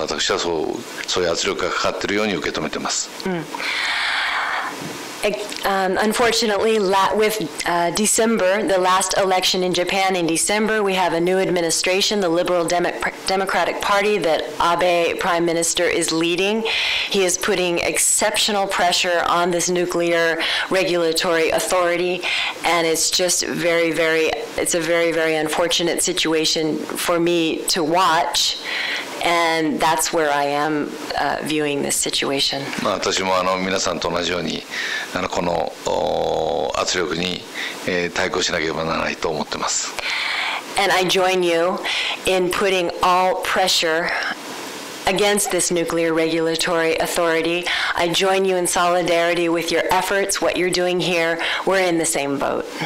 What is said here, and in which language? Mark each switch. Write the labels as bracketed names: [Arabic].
[Japanese] 私はそういう圧力がかかっているように受け止めています、 [English] Unfortunately, with December, the last election in Japan in December, we have a new administration, the Liberal Democratic Party that Abe Prime Minister is leading. He is putting exceptional pressure on this nuclear regulatory authority, and it's just very, very, it's a very, very unfortunate situation for me to watch. And that's where I am viewing this situation. [Japanese] まあ、私も皆さんと同じようにこの圧力に対抗しなければならないと思ってます。 [English] And I join you in putting all pressure against this nuclear regulatory authority. I join you in solidarity with your efforts, what you're doing here. We're in the same boat.